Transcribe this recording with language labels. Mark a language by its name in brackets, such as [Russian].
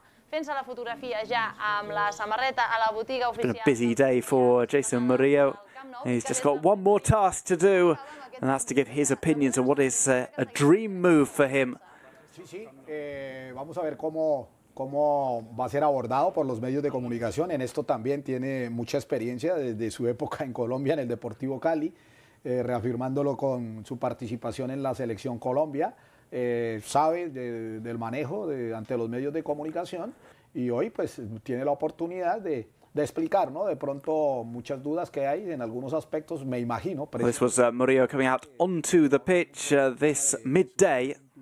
[Catalan] Fent-se la fotografia ja amb la samarreta a la botiga oficial. [English] It's been a busy day for Jason Murillo. He's just got one more task to do, and that's to give his opinions on what is a dream move for him. [Spanish] Sí, sí. Vamos a ver cómo va a ser abordado por los medios de comunicación. En esto también tiene mucha experiencia desde su época en Colombia, en el Deportivo Cali, reafirmándolo con su participación en la Selección Colombia. Sabe del manejo ante los medios de comunicación y hoy pues tiene la oportunidad de explicar, ¿no? De pronto muchas dudas que hay en algunos aspectos, me imagino. [English] Well, this was Murillo coming out onto the pitch this midday.